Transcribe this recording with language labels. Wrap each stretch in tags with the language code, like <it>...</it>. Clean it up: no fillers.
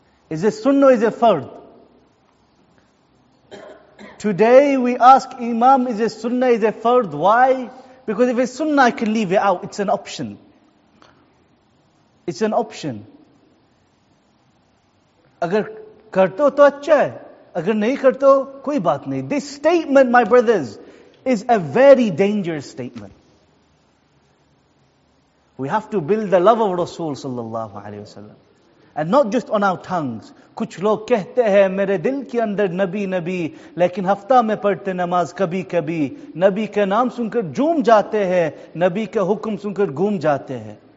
<en>Is it sunnah or is it fard? Today we ask Imam, is it sunnah, is it fard? Why? Because if it's sunnah, I can leave it out. It's an option. It's an option.</en> <ur>اگر کرتو تو اچھا ہے۔ اگر نہیں کرتو، کوئی بات نہیں۔</ur> <en>This statement, my brothers, is a very dangerous statement. We have to build the love of Rasul sallallahu alayhi wa sallam. And not just on our tongues.</en> <ur>کچھ لوگ کہتے ہیں، میرے دل کے اندر نبی نبی، لیکن ہفتہ میں پڑھتے نماز کبھی کبھی، نبی کے نام سنکر جھوم جاتے ہیں، نبی کے حکم سنکر گھوم جاتے ہیں۔</ur>